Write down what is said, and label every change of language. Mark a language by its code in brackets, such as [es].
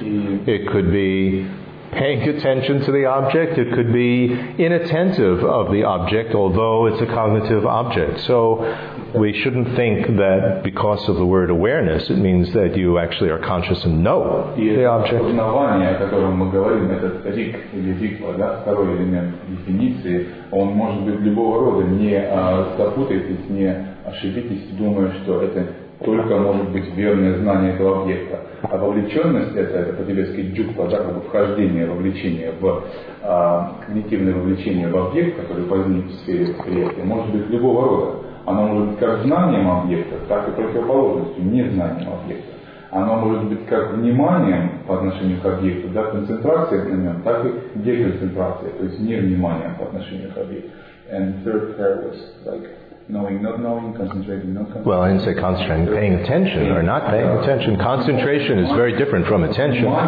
[en] It could be paying attention to the object. It could be inattentive of the object, although it's a cognitive object. So we shouldn't think that because of the word awareness, it means that you actually are conscious and know the object. [ru] И это осознавание, о котором мы говорим, этот рик или рикла, да, второй элемент дефиниции, он может быть любого рода. Не запутайтесь, не ошибитесь, думая, что это только может быть верное знание этого объекта. А вовлеченность — это по-тибетски джукпа, да, как бы вхождение, вовлечение в когнитивное вовлечение в объект, который возник в сфере восприятия, может быть любого рода. Оно может быть как знанием объекта, так и противоположностью, незнанием объекта. Оно может быть как вниманием по отношению к объекту, да, концентрацией на нем, так и деконцентрацией, то есть невниманием по отношению к объекту. [en] And third pair was like knowing, not knowing, concentrating, not concentrating. Well, I didn't say concentrating, paying attention or not paying attention. Concentration is very different from attention.